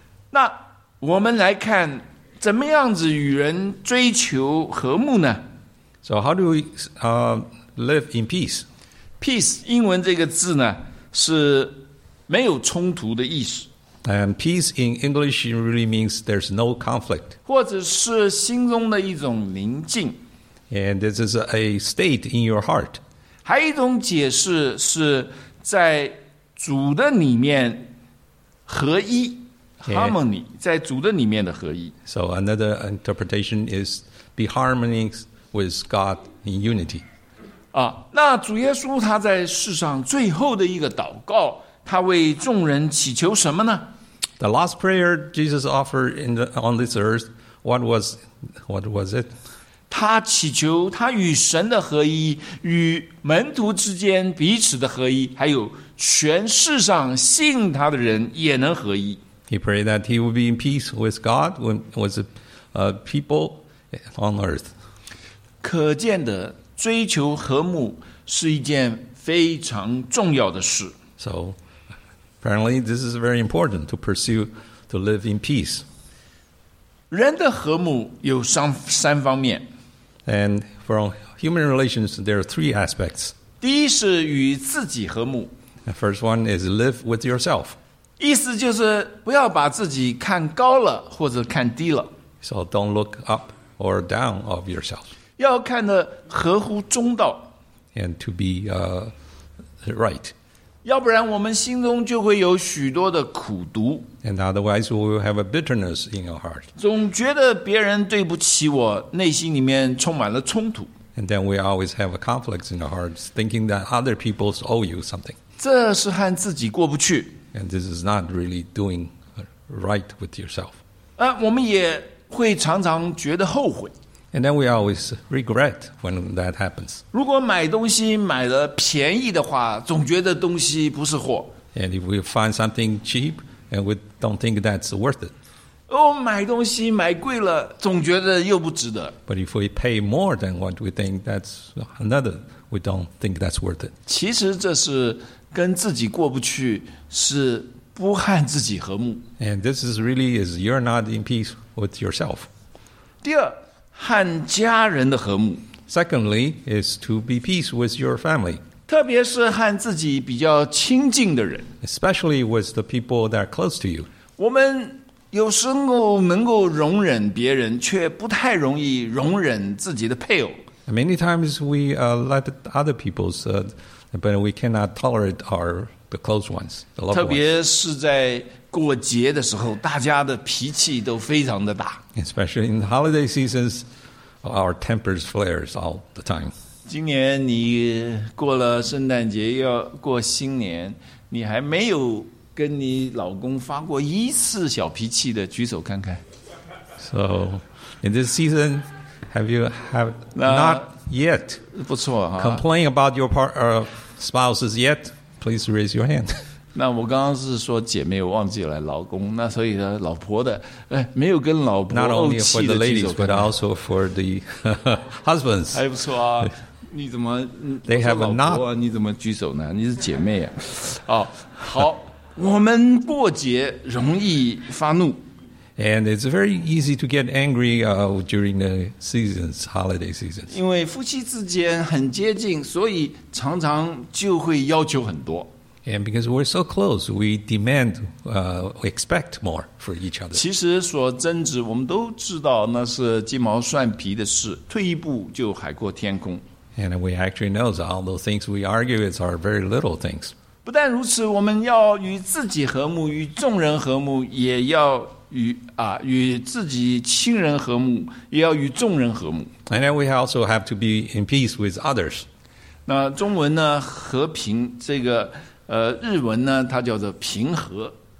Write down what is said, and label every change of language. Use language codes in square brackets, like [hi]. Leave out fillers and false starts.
[zh] 那我们来看怎么样子与人追求和睦呢？ [en] So how do we live in peace? [zh] Peace 英文这个字呢是没有冲突的意思。 [en] And peace in English really means there's no conflict. [zh] 或者是心中的一种宁静。 [en] And this is a state in your heart. [zh] 还有一种解释是在主的里面合一 ，harmony 在主的里面的合一。 [en] So another interpretation is be harmony with God in unity. [zh] 啊，那主耶稣他在世上最后的一个祷告，他为众人祈求什么呢 [en] ？The last prayer Jesus offered on this earth, what was it? [zh] 他祈求他与神的合一，与门徒之间彼此的合一，还有全世上信他的人也能合一。 [en] He prayed that he would be in peace with God with the people on earth. [zh] 可见的追求和睦是一件非常重要的事。 [en] So apparently this is very important to pursue to live in peace. [zh] 人的和睦有三方面。 [en] And from human relations, there are three aspects. [zh] 第一是与自己和睦。 [en] The first one is live with yourself. [zh] 意思就是不要把自己看高了或者看低了。 [en] So don't look up or down of yourself. [zh] 要看得合乎中道。 [en] And to be right. [zh] 要不然我们心中就会有许多的苦毒。 [en] And otherwise we will have a bitterness in our heart. [zh] 总觉得别人对不起我，内心里面充满了冲突。 [en] And then we always have a conflict in our hearts, thinking that other people owe you something. [zh] 这是和自己过不去。 [en] And this is not really doing right with yourself. [zh] 我们也会常常觉得后悔。 [en] And then we always regret when that happens. [zh] 如果买东西买的便宜的话，总觉得东西不是货。 [en] And if we find something cheap, and we don't think that's worth it. [zh] 买东西买贵了，总觉得又不值得。 [en] But if we pay more than what we think, that's another, we don't think that's worth it. [zh] 其实这是跟自己过不去，是不和自己和睦。 [en] And this is really is you're not in peace with yourself. [zh] 第二，和家人的和睦。 [en] Secondly, is to be peace with your family. [zh] 特别是和自己比较亲近的人。 [en] Especially with the people that are close to you. [zh] 我们有时候能够容忍别人，却不太容易容忍自己的配偶。 [en] Many times we let other people's but we cannot tolerate our the close ones, the loved ones. [zh] 特别是在过节的时候，大家的脾气都非常的大。 [en] Especially in the holiday seasons, our tempers flares all the time. [zh] 今年你过了圣诞节，要过新年，你还没有跟你老公发过一次小脾气的，举手看看。 [en] So, in this season, have you not yet complained about your spouses yet? Please raise your hand. [zh] 那我刚刚是说姐妹忘记了老公，那所以呢，老婆的，没有跟老婆怄气的举手看看。 [en] Not only for the ladies, but also for the husbands. [zh] 还不错啊。你怎么？ [en] They have a knot. [zh] 你怎么举手呢？你是姐妹啊。哦，好。我们过节容易发怒。 [en] And it's very easy to get angry during the seasons, holiday seasons. [zh] 因为夫妻之间很接近，所以常常就会要求很多。 [en] And because we're so close, we demand, we expect more for each other. [zh] 其实所争执，我们都知道那是鸡毛蒜皮的事，退一步就海阔天空。 [en] And we actually know that all those things we argue are very little things. [zh] 不但如此，我们要与自己和睦，与众人和睦，也要与自己亲人和睦，也要与众人和睦。 [en] And then we also have to be in peace with others. [zh] 那中文呢，和平，这个日文呢，它叫做平和。